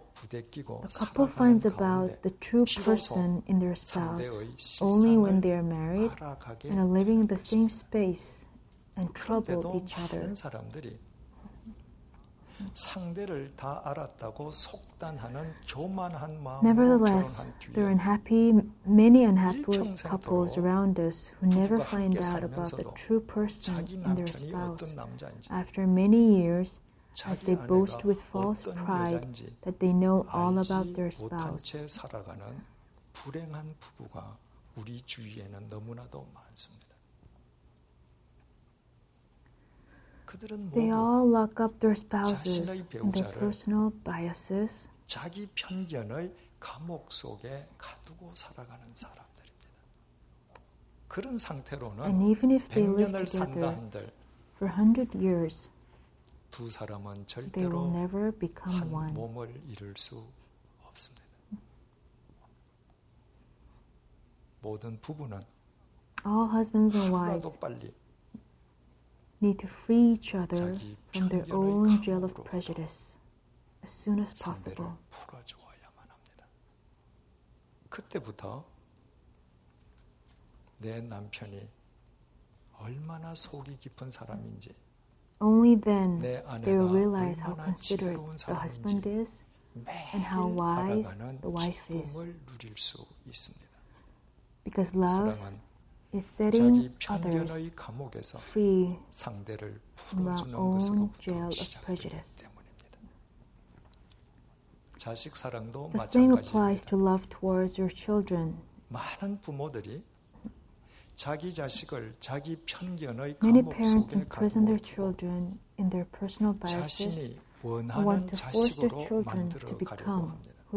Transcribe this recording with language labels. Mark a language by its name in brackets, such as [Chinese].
[English] The couple finds about the true person in their spouse only when they are married and are living in the same space and trouble each other. [Korean] 상대를 다 알았다고 속단하는 교만한 마음. [English] Nevertheless, there are unhappy, many unhappy couples around us who never find out about the true person in their spouse. After many years, as they boast with false pride that they know all about their spouse. [Korean] 살아가는 불행한 부부가 우리 주위에는 너무나도 많습니다. [English] They all lock up their spouses in their personal biases. [Korean] 자기 편견의 감옥 속에 가두고 살아가는 사람들입니다. 그런 상태로는 [English] And even if they live together for 100 years, [Korean] 두 사람은 절대로 한 몸을 이룰 수 없습니다. 모든 부부는 [English] All husbands and wives need to free each other from their own jail of prejudice as soon as possible. [Korean] 풀어주어야만 합니다. 그때부터 내 남편이 얼마나 속이 깊은 사람인지 [English] Only then they will realize how considerate the husband is and how wise the wife is. Because love is setting others free from our own jail of prejudice. The same applies to love towards your children. [Korean] 많은 부모들이 자기 자식을 자기 편견의 감옥 속에 가두고 자신이 원하는 자식으로 만들어가려고 합니다.